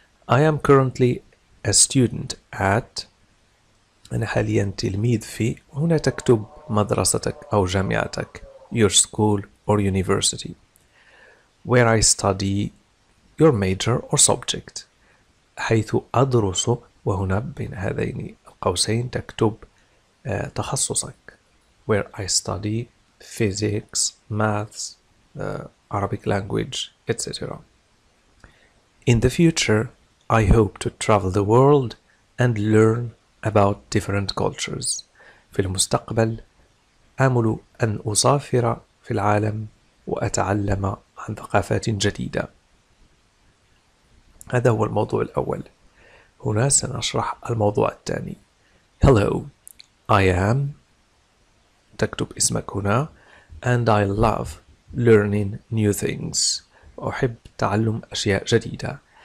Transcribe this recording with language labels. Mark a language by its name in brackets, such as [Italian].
[English] I am currently a student at، [Arabic] أنا حاليا تلميذ في، وهنا تكتب مدرستك أو جامعتك، [English] your school or university. Where I study your major or subject، [Arabic] حيث أدرس، وهنا بين هذين القوسين تكتب تخصصك. [English] Where I study physics, maths, Arabic language, etc. In the future I hope to travel the world and learn about different cultures. [Arabic] في المستقبل آمل أن أسافر في العالم وأتعلم عن ثقافات جديدة. هذا هو الموضوع الأول. هنا سنشرح الموضوع الثاني. [English] Hello, I am، [Arabic] تكتب اسمك هنا، [English] and I love learning new things، [Arabic] أحب تعلم أشياء جديدة.